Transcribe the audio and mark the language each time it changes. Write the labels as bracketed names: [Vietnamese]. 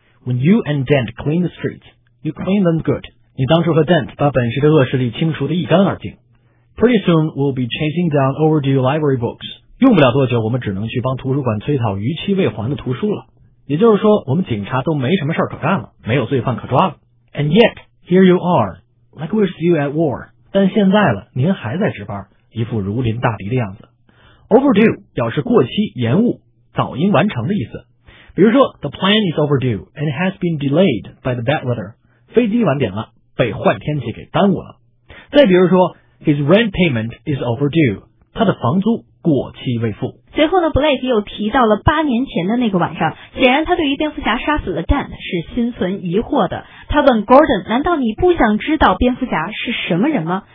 [English] When you and Dent clean the streets, you clean them good. [Chinese] 你当初和 Dent 把本市的恶势力清除得一干二净。 [English] Pretty soon we'll be chasing down overdue library books. [Chinese] 用不了多久，我们只能去帮图书馆催讨逾期未还的图书了。也就是说，我们警察都没什么事可干了，没有罪犯可抓了。 [English] And yet, here you are, like we're still at war. [Chinese] 但现在了，您还在值班，一副如临大敌的样子。 Overdue 表示过期、延误、早应完成的意思。比如说 [English] ，The plan is overdue and has been delayed by the bad weather. [Chinese] 飞机晚点了，被坏天气给耽误了。再比如说 [English] ，His rent payment is overdue. [Chinese] 他的房租。过期未付。随后呢 ，Blake 又提到了八年前的那个晚上。显然，他对于蝙蝠侠杀死了 Dent 是心存疑惑的。他问 Gordon： 难道你不想知道蝙蝠侠是什么人吗？